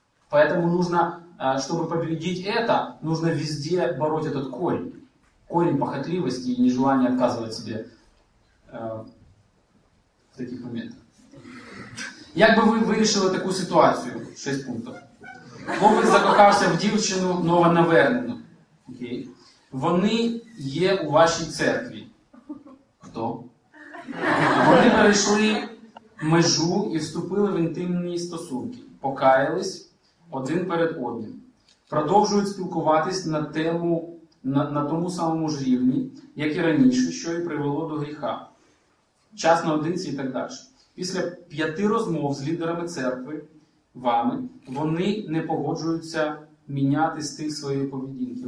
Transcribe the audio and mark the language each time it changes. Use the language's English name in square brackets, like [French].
[Russian] Поэтому нужно, чтобы победить это, нужно везде бороть этот корень. Корень похотливости и нежелания отказывать себе в таких моментах. Как бы вы вырешили такую ситуацию? 6 пунктов. [Ukrainian] Хлопець закохався в дівчину новонаверну. Окей. Вони є у вашій церкві. Хто? Вони перейшли межу і вступили в інтимні стосунки. Покаялись один перед одним. Продовжують спілкуватись на тему на тому самому ж рівні, як і раніше, що і привело до гріха. Час наодинці і так далі. Після 5 розмов з лідерами церкви, вами, вони не погоджуються міняти стиль своєї поведінки.